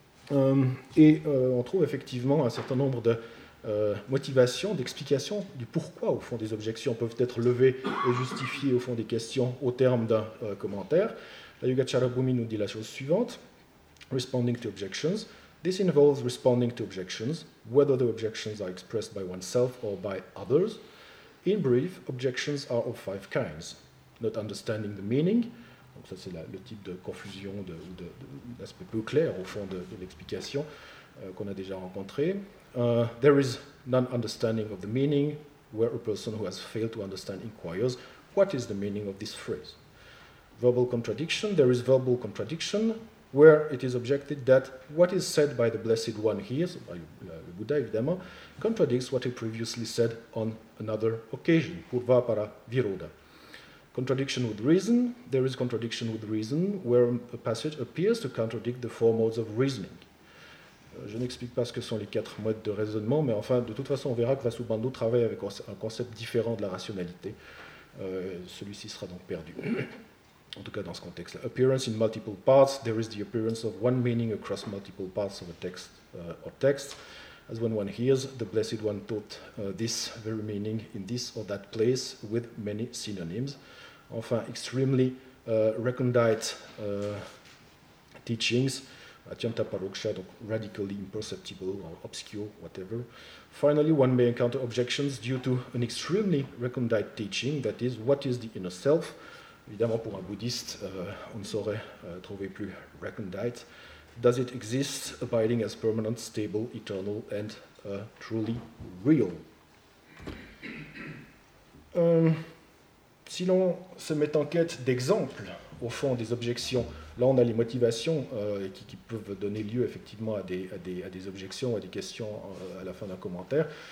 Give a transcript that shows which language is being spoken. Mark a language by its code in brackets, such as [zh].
[fr] On trouve effectivement un certain nombre de motivations, d'explications du pourquoi, au fond, des objections peuvent être levées et justifiées, au fond, des questions au terme d'un commentaire. La Yogacara Bhumi nous dit la chose suivante. [en] Responding to objections. This involves responding to objections, whether the objections are expressed by oneself or by others. In brief, objections are of five kinds. Not understanding the meaning. [fr] Donc ça, c'est le type de confusion ou d'aspect peu clair, au fond, de l'explication qu'on a déjà rencontré. [en] There is non-understanding of the meaning, where a person who has failed to understand inquires, what is the meaning of this phrase? Verbal contradiction, there is verbal contradiction, where it is objected that what is said by the Blessed One here, so by [fr] le Bouddha évidemment, [en] contradicts what he previously said on another occasion, purva para viroda. Contradiction with reason, there is contradiction with reason, where a passage appears to contradict the four modes of reasoning. [fr] Je n'explique pas ce que sont les quatre modes de raisonnement, mais enfin, de toute façon, on verra que Vasubandhu travaille avec un concept différent de la rationalité. Celui-ci sera donc perdu, en tout cas dans ce contexte-là. [en] Appearance in multiple parts, there is the appearance of one meaning across multiple parts of a text or text. As when one hears, the Blessed One taught this very meaning in this or that place with many synonyms. Enfin, extremely recondite teachings. Atyanta paroksha, donc radically imperceptible or obscure, whatever. Finally, one may encounter objections due to an extremely recondite teaching, that is, what is the inner self? [fr] Évidemment, pour un bouddhiste, on ne saurait trouver plus recondite. [en] Does it exist, abiding as permanent, stable, eternal, and truly real? [fr] Si l'on se met en quête d'exemples, au fond, des objections, là, on a les motivations qui peuvent donner lieu effectivement à des objections, à des questions à la fin d'un commentaire.